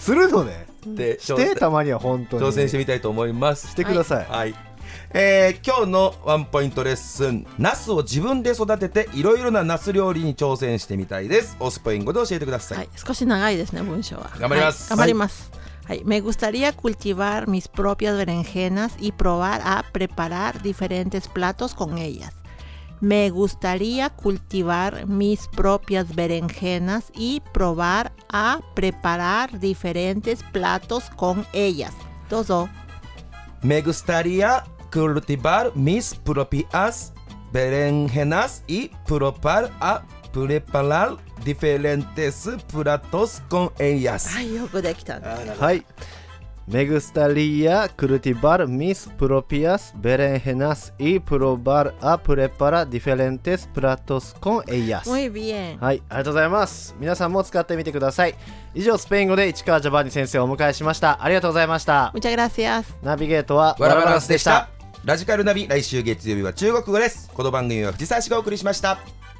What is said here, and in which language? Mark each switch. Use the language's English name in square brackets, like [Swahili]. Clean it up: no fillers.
[Japanese] するのね、でしてたまには本当に挑戦してみたいと思います。してください、はい。今日のワンポイントレッスン、ナスを自分で育てていろいろなナス料理に挑戦してみたいです。オスポイン語で教えてください、はい。少し長いですね、文章は。頑張ります、はい、頑張ります、はいはい。 [Spanish] Me gustaría cultivar mis propias berenjenas y probar a preparar diferentes platos con ellas. Me gustaría cultivar mis propias berenjenas y probar a preparar diferentes platos con ellas. [Japanese] どうぞ。 [Spanish] Me gustaría cultivar mis propias berenjenas y probar a preparar diferentes platos con ellas. [Japanese] はい、よくできたんです。はい。 [Spanish] Me gustaría cultivar mis propias berenjenas y probar a preparar diferentes platos con ellas. Muy bien. [Japanese] はい、ありがとうございます。皆さんも使ってみてください。以上、スペイン語で市川ジョバンニ先生をお迎えしました。ありがとうございました。 [Spanish] Muchas gracias. [Japanese] ナビゲートはワラバランスでした。ラジカルナビ、来週月曜日は中国語です。この番組は藤沢氏がお送りしました。